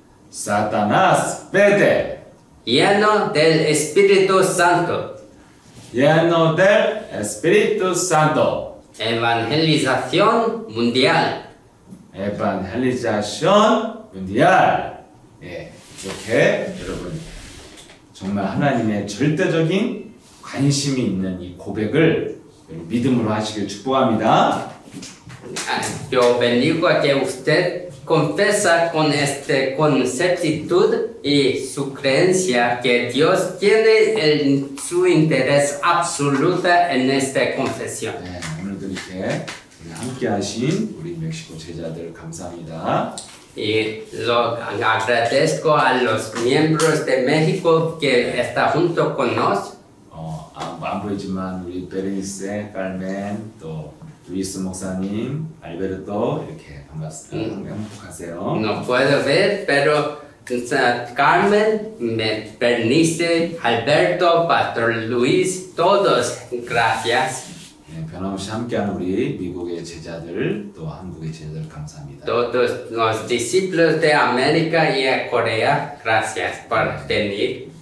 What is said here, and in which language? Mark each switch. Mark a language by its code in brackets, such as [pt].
[es] Satanás vete. Lleno del Espíritu Santo. Lleno del Espíritu Santo. Evangelización mundial. Evangelización mundial. [ko] 예, 이렇게 여러분 정말 하나님의 절대적인 관심이 있는 이 고백을 믿음으로 하시길 축복합니다. [es] Yo bendigo a que usted confiesa con este con certitud y su creencia que Dios tiene el, su interés absoluta en esta confesión. [ko] 예, 오늘도 이렇게 함께하신 우리 멕시코 제자들 감사합니다. [es] Y lo agradezco a los miembros de México que está junto con nos. [ko] 안 보이지만 우리 베르니스, 칼멘, 또 루이스 목사님, 알베르토 이렇게 반갑습니다. 행복하세요. [es] No puedo ver, pero Carmen, Bernice, Alberto, Pastor Luis, todos, gracias. [ko] 변함없이 함께하는 우리 미국의 제자들 또 한국의 제자들 감사합니다. [es] Todos los discípulos de América y Corea, gracias por venir.